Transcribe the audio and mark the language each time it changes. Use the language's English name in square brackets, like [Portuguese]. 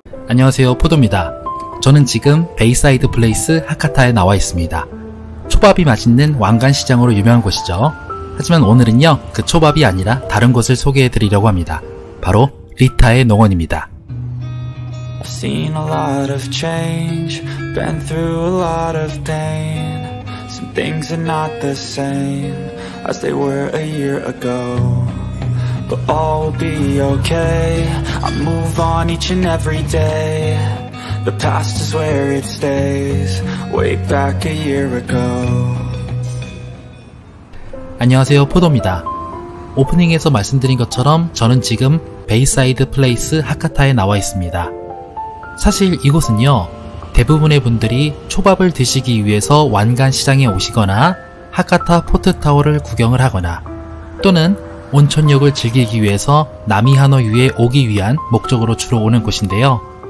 [Korean] 안녕하세요, 포도입니다. 저는 지금 베이사이드 플레이스 하카타에 나와 있습니다. 초밥이 맛있는 왕관시장으로 유명한 곳이죠. 하지만 오늘은요, 그 초밥이 아니라 다른 곳을 소개해 드리려고 합니다. 바로 리타의 농원입니다. [English] I've seen a lot of change, been through a lot of pain. Some things are not the same as they were a year ago. But all will be okay, I move on each and every day. The past is where it stays, way back a year ago. [Korean] 안녕하세요, 포도입니다. 오프닝에서 말씀드린 것처럼 저는 지금 베이사이드 플레이스 하카타에 나와 있습니다. 사실 이곳은요, 대부분의 분들이 초밥을 드시기 위해서 왕관시장에 오시거나 하카타 포트타워를 구경을 하거나 또는 온천욕을 즐기기 위해서 나미하노유에 오기 위한 목적으로 주로 오는 곳인데요.